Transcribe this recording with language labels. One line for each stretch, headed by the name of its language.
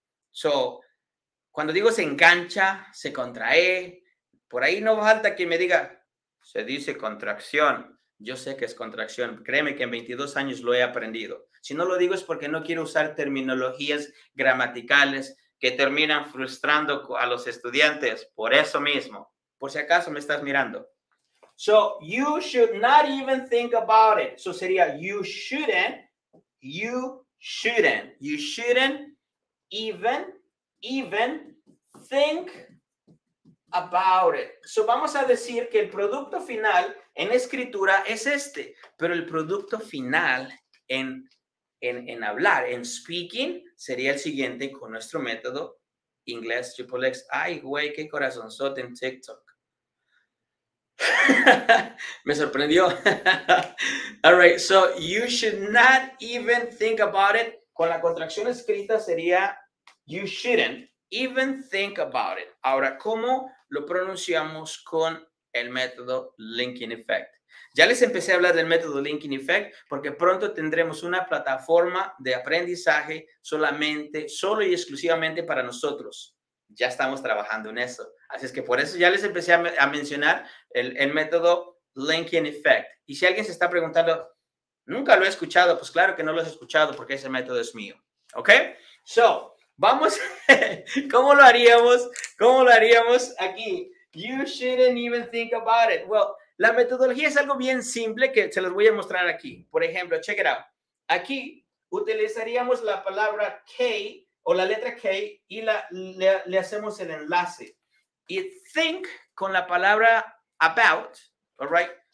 Spanish: So, cuando digo se engancha, se contrae, por ahí no falta quien me diga, se dice contracción. Yo sé que es contracción. Créeme que en 22 años lo he aprendido. Si no lo digo es porque no quiero usar terminologías gramaticales que terminan frustrando a los estudiantes. Por eso mismo. Por si acaso me estás mirando.
English: So, you should not even think about it. So,
Spanish: sería
English: you shouldn't even think about it.
Spanish: So vamos a decir que el producto final en escritura es este, pero el producto final en hablar, en speaking, sería el siguiente con nuestro método inglés XXX. Ay, güey, qué corazonzote en TikTok. Me sorprendió.
English: All right, so you should not even think about it.
Spanish: Con la contracción escrita sería
English: you shouldn't even think about it.
Spanish: Ahora, ¿cómo lo pronunciamos con el método Linking Effect? Ya les empecé a hablar del método Linking Effect porque pronto tendremos una plataforma de aprendizaje solo y exclusivamente para nosotros. Ya estamos trabajando en eso. Así es que por eso ya les empecé a mencionar el método Linking Effect. Y si alguien se está preguntando, ¿nunca lo he escuchado? Pues claro que no lo has escuchado porque ese método es mío. ¿Ok? So, vamos, ¿cómo lo haríamos aquí?
English: You shouldn't even think about it. Well,
Spanish: la metodología es algo bien simple que se los voy a mostrar aquí. Por ejemplo,
English: check it out.
Spanish: Aquí utilizaríamos la palabra K o la letra K y le hacemos el enlace. Y think con la palabra about,
English: all right?